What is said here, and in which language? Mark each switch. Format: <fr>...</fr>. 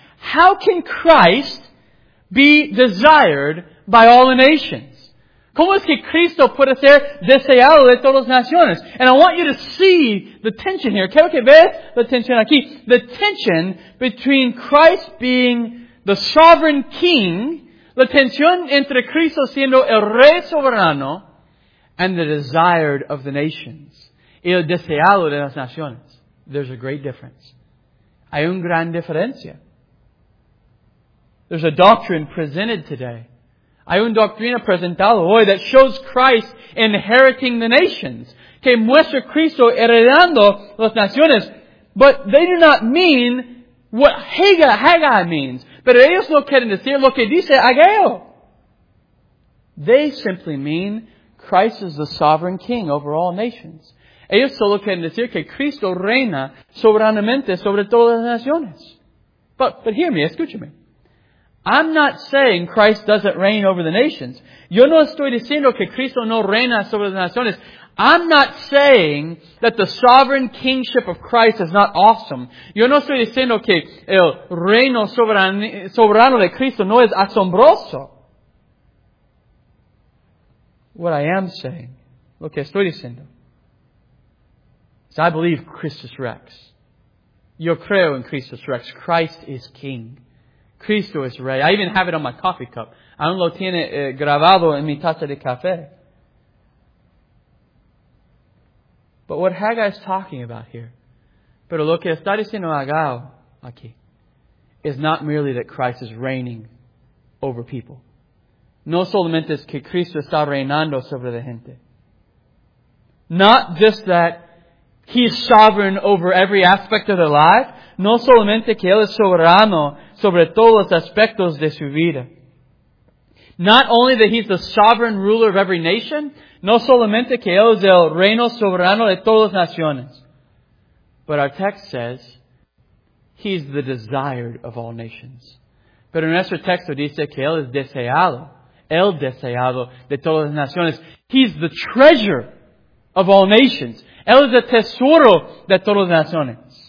<en>How can Christ be desired by all the nations?</en> <es>¿Cómo es que Cristo puede ser deseado de todas las naciones?</es> <en>And I want you to see the tension here.</en> <es>Quiero que veas la tensión aquí.</es> <en>The tension between Christ being the sovereign king,</en> <es>la tensión entre Cristo siendo el Rey Soberano</es> <en>and the desired of the nations.</en> <es>El deseado de las naciones.</es> <en>There's a great difference.</en> <es>Hay una gran diferencia.</es> <en>There's a doctrine presented today.</en> <es>Hay una doctrina presentada hoy</es> <en>that shows Christ inheriting the nations.</en> <es>Que muestra Cristo heredando las naciones.</es> <en>But they do not mean what Haggai means.</en> <es>Pero ellos no quieren decir lo que dice Haggai.</es> <en>They simply mean Christ is the sovereign king over all nations.</en> <es>Ellos solo quieren decir que Cristo reina soberanamente sobre todas las naciones.</es> <en>But hear me,</en> <es>escúchame.</es> <en>I'm not saying Christ doesn't reign over the nations.</en> <es>Yo no estoy diciendo que Cristo no reina sobre las naciones.</es> <en>I'm not saying that the sovereign kingship of Christ is not awesome.</en> <es>Yo no estoy diciendo que el reino soberano de Cristo no es asombroso.</es> <en>What I am saying,</en> <es>lo que estoy diciendo,</es> <en>is I believe Christus Rex.</en> <es>Yo creo en Christus Rex.</es> <en>Christ is King.</en> <es>Cristo es Rey.</es> <en>I even have it on my coffee cup.</en> <es>Aún lo tiene grabado en mi taza de café.</es> <en>But what Haggai is talking about here,</en> <es>pero lo que está diciendo Haggai aquí,</es> <en>is not merely that Christ is reigning over people.</en> <es>No solamente es que Cristo está reinando sobre la gente.</es> <en>Not just that He is sovereign over every aspect of their life.</en> <es>No solamente que Él es soberano sobre todos los aspectos de su vida.</es> <en>Not only that He's the sovereign ruler of every nation.</en> <es>No solamente que Él es el reino soberano de todas las naciones.</es> <en>But our text says, He's the desired of all nations.</en> <es>Pero nuestro texto dice que Él es deseado. El deseado de todas las naciones.</es> <en>He's the treasure of all nations.</en> <es>Él es el tesoro de todas las naciones.</es>